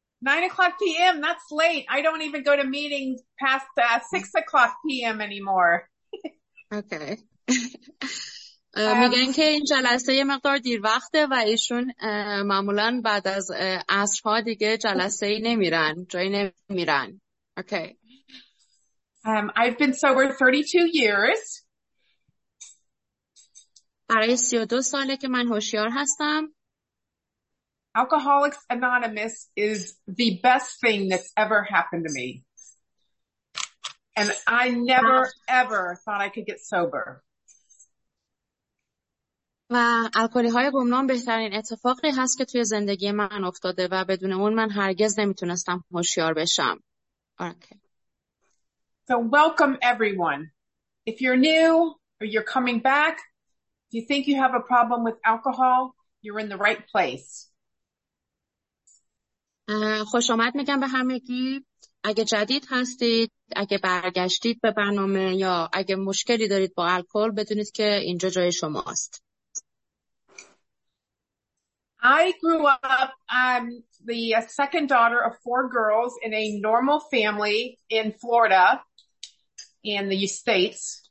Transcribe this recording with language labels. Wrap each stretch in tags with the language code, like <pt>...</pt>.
<en>Nine o'clock p.m. That's late. I don't even go to meetings past 6 o'clock p.m. anymore. Okay.</en> <fa>میگن که این جلسه یه مقدار دیر وقته و ایشون معمولاً بعد از عصرها دیگه جلسه ای نمیرن، جایی نمیرن.</fa> <en>Okay. I've been sober 32 years.</en> <fa>برای 32 ساله که من هوشیار هستم.</fa> <en>Alcoholics Anonymous is the best thing that's ever happened to me. And I never, ever thought I could get sober.</en> <fa>و الکلی‌های گمنام بهترین اتفاقی هست که توی زندگی من افتاده و بدون اون من هرگز نمیتونستم هوشیار بشم.</fa> <en>Okay. So welcome everyone. If you're new or you're coming back, if you think you have a problem with alcohol, you're in the right place.</en> <fa>خوش آمد میگم به همگی. اگه جدید هستید، اگه برگشتید به برنامه یا اگه مشکلی دارید با الکل، بدونید که اینجا جای شماست.</fa> <en>I grew up the second daughter of four girls in a normal family in Florida in the States.</en>